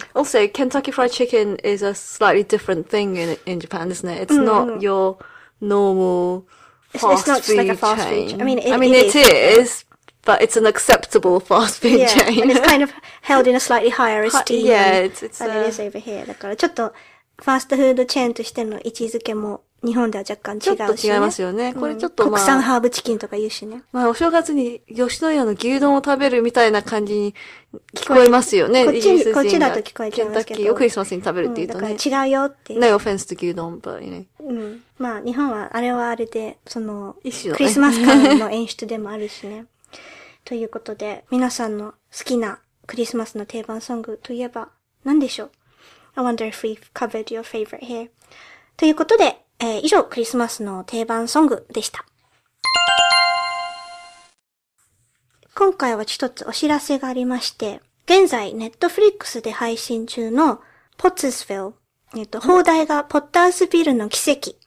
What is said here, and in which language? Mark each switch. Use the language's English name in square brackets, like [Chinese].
[English] Also, Kentucky Fried Chicken is a slightly different thing in Japan, isn't it? It's not your normal fast food chain. I mean, it is. But it's an acceptable fast food chain. And it's kind of held in a slightly higher esteem than it is over here. [Japanese] だからちょっとファーストフードチェーンとしての位置づけも日本では若干違うしね。ちょっと違いますよね。これちょっと、国産ハーブチキンとか言うしね。まあお正月に吉野家の牛丼を食べるみたいな感じに聞こえますよね。こっちだと聞こえちゃいますけど。ケンタッキーをクリスマスに食べるって言うとね。だから違うよって。 [English] No offense to 牛丼、but you know。 [Japanese] まあ日本はあれはあれで、その、クリスマス感の演出でもあるしね。ということで、皆さんの好きなクリスマスの定番ソングといえば何でしょう? [English] I wonder if we've covered your favorite here. [Japanese] ということで、以上クリスマスの定番ソングでした。今回は一つお知らせがありまして、現在ネットフリックスで配信中のポッツスフィル、放題がポッターズビルの奇跡。